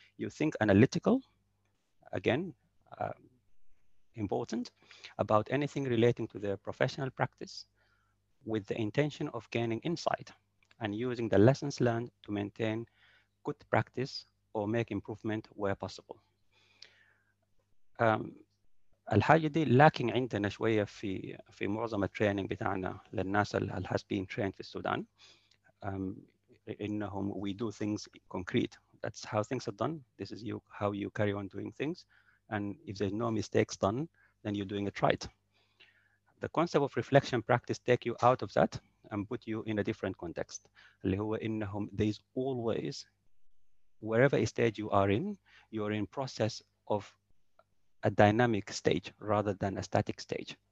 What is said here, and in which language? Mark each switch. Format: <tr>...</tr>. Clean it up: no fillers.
<en>You think analytical, again, important, about anything relating to their professional practice with the intention of gaining insight and using the lessons learned to maintain good practice or make improvement where possible.</en> <ar>الحاجة دي lacking عندنا شوية في معظم التريننج بتاعنا للناس اللي</ar> <en>has been trained</en> <ar>في السودان.</ar> <en>إنهم we do things concrete. That's how things are done. This is you how you carry on doing things. And if there's no mistakes done, then you're doing it right. The concept of reflection practice take you out of that and put you in a different context.</en> <ar>اللي هو إنهم</ar> <en>there's always, wherever stage you are in, you're in process of a dynamic stage rather than a static stage.</en>